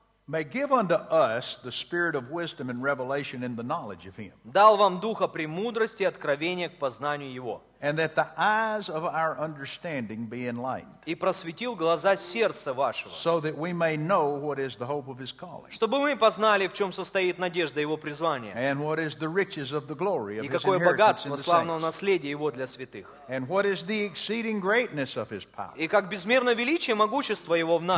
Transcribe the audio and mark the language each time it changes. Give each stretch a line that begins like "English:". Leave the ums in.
English: may give unto us the spirit of wisdom and revelation in the knowledge of Him.
Russian: Дал вам духа премудрости и откровения к познанию Его.
English: And that the eyes of our understanding be enlightened.
Russian: И просветил глаза сердца вашего.
English: So that we may know what is the hope of his calling.
Russian: Чтобы мы познали, в чем состоит надежда его призвания.
English: And what is the riches of the glory of
Russian: И какое богатство славного наследия его для святых.
English: And what is the exceeding greatness of his power.
Russian: И как безмерно величие могущество его в нас.